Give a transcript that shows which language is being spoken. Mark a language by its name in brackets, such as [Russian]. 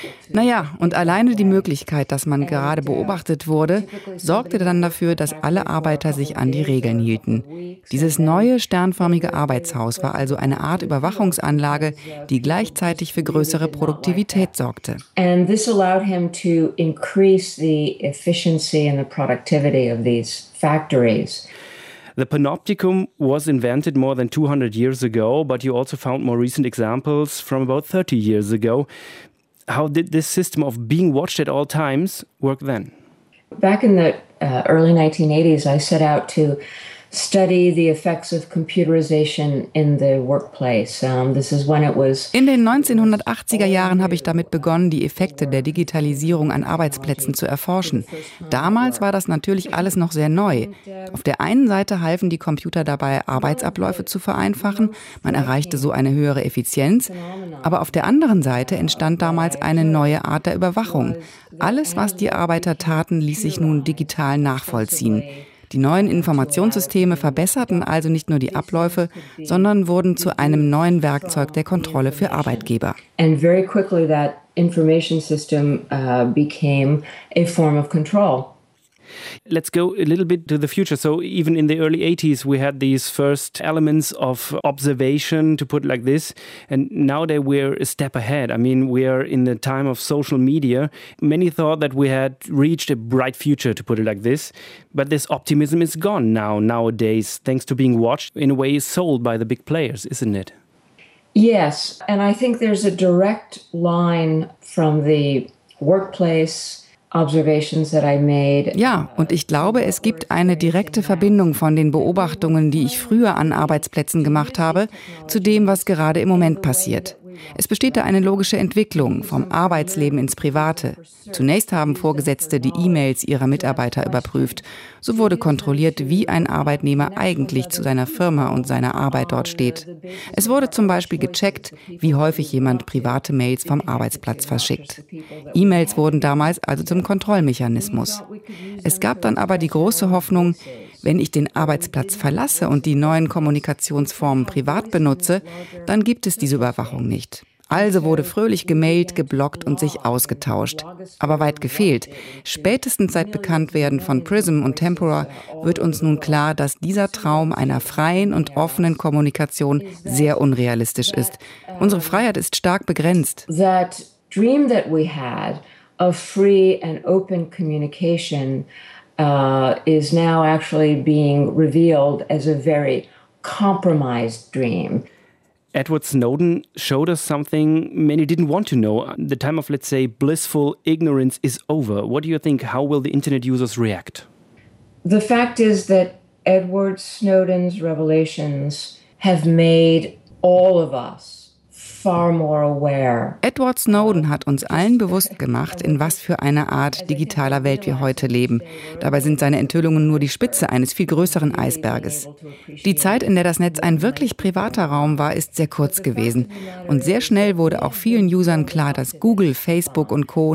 [German] Naja, und alleine die Möglichkeit, dass man gerade beobachtet wurde, sorgte dann dafür, dass alle Arbeiter sich an die Regeln hielten. Dieses neue sternförmige Arbeitshaus war also eine Art Überwachungsanlage, die gleichzeitig für größere Produktivität sorgte. [English] And this allowed him to increase the efficiency and the productivity of these factories. The Panopticum was invented more than 200 years ago, but you also found more recent examples from about 30 years ago. How did this system of being watched at all times work then? Back in the early 1980s, I set out to study the effects of computerization in the workplace. This is when it was. [German] In den 1980er Jahren habe ich damit begonnen, die Effekte der Digitalisierung an Arbeitsplätzen zu erforschen. Damals war das natürlich alles noch sehr neu. Auf der einen Seite halfen die Computer dabei, Arbeitsabläufe zu vereinfachen. Man erreichte so eine höhere Effizienz. Aber auf der anderen Seite entstand damals eine neue Art der Überwachung. Alles, was die Arbeiter taten, ließ sich nun digital nachvollziehen. Die neuen Informationssysteme verbesserten also nicht nur die Abläufe, sondern wurden zu einem neuen Werkzeug der Kontrolle für Arbeitgeber. [English] And very quickly that information system became a form of control. Let's go a little bit to the future. So even in the early 80s, we had these first elements of observation, to put it like this. And nowadays we're a step ahead. I mean, we are in the time of social media. Many thought that we had reached a bright future, to put it like this. But this optimism is gone now, nowadays, thanks to being watched in a way sold by the big players, isn't it? Yes. And I think there's a direct line from the workplace. [German] Ja, und ich glaube, es gibt eine direkte Verbindung von den Beobachtungen, die ich früher an Arbeitsplätzen gemacht habe, zu dem, was gerade im Moment passiert. Es besteht da eine logische Entwicklung vom Arbeitsleben ins Private. Zunächst haben Vorgesetzte die E-Mails ihrer Mitarbeiter überprüft. So wurde kontrolliert, wie ein Arbeitnehmer eigentlich zu seiner Firma und seiner Arbeit dort steht. Es wurde zum Beispiel gecheckt, wie häufig jemand private Mails vom Arbeitsplatz verschickt. E-Mails wurden damals also zum Kontrollmechanismus. Es gab dann aber die große Hoffnung, wenn ich den Arbeitsplatz verlasse und die neuen Kommunikationsformen privat benutze, dann gibt es diese Überwachung nicht. Also wurde fröhlich gemailt, geblockt und sich ausgetauscht. Aber weit gefehlt. Spätestens seit Bekanntwerden von Prism und Tempora wird uns nun klar, dass dieser Traum einer freien und offenen Kommunikation sehr unrealistisch ist. Unsere Freiheit ist stark begrenzt. [English] That dream that we had of free and open communication is now actually being revealed as a very compromised dream. Edward Snowden showed us something many didn't want to know. The time of, let's say, blissful ignorance is over. What do you think? How will the internet users react? The fact is that Edward Snowden's revelations have made all of us far more aware. [German] Edward Snowden hat uns allen bewusst gemacht, in was für eine Art digitaler Welt wir heute leben. Dabei sind seine Enthüllungen nur die Spitze eines viel größeren Eisberges. Die Zeit, in der das Netz ein wirklich privater Raum war, ist sehr kurz gewesen. Und sehr schnell wurde auch vielen Usern klar, dass Google, Facebook und Co.